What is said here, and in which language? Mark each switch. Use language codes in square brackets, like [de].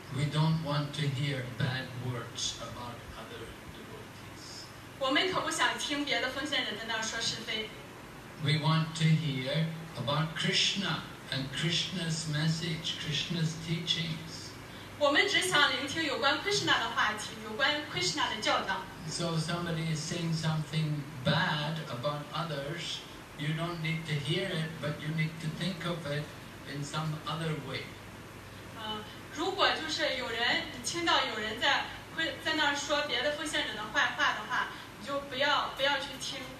[en] We don't want to hear bad words about other devotees. [zh] 我们可不想听别的奉献者在那儿说是非。 [en] We want to hear about Krishna and Krishna's message, Krishna's teachings. [zh] 我们只想聆听有关 Krishna 的话题, 有关 Krishna 的教导。 [en] So somebody is saying something bad about others, you don't need to hear it, but you need to think of it in some other way. [zh] 如果就是有人听到有人在那儿说别的奉献者的坏话的话，你就不要去听。